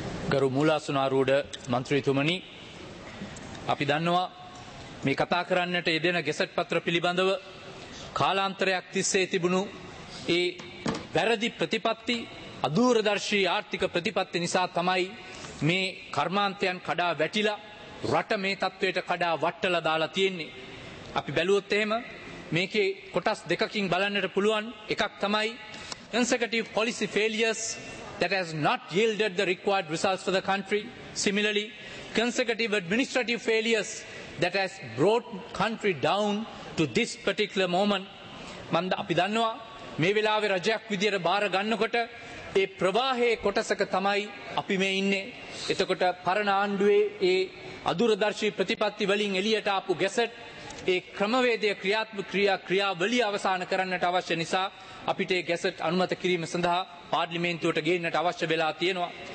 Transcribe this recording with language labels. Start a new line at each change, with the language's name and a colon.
Sinhala: ගරු මූලාසනාරූඪ මන්ත්‍රීතුමනි, අපි දන්නවා මේ කතා කරන්නට යෙදෙන ගෙසට් පත්‍ර පිළිබඳව කාලාන්තරයක් තිස්සේ තිබුණු ඒ වැරදි ප්‍රතිපත්ති, අදූරදර්ශී ආර්ථික ප්‍රතිපත්ති නිසා තමයි මේ කර්මාන්තයන් කඩා වැටිලා රට මේ තත්ත්වයට කඩා වට්ටලා දාලා තියෙන්නේ. අපි බැලුවොත් එහෙම මේකේ කොටස් දෙකකින් බලන්නට පුළුවන්. එකක් තමයි
English: consecutive policy failures that has not yielded the required results for the country. Similarly, consecutive administrative failures that has brought country down to this particular moment.
Sinhala: මන්ද අපි දන්නවා මේ වෙලාවේ රජයක් විදියට බාර ගන්නකොට ඒ ප්‍රවාහයේ කොටසක තමයි අපි මේ ඉන්නේ. එතකොට පරණ ආණ්ඩුවේ ඒ අදුරදර්ශී ප්‍රතිපත්ති වලින් එළියට ආපු ගැසට් ඒ ක්‍රමවේදය ක්‍රියාත්මක ක්‍රියාවලිය අවසන් කරන්නට අවශ්‍ය නිසා අපිට ඒ ගැසට් අනුමත කිරීම සඳහා පාර්ලිමේන්තුවට ගේන්නට අවශ්‍ය වෙලා තියෙනවා.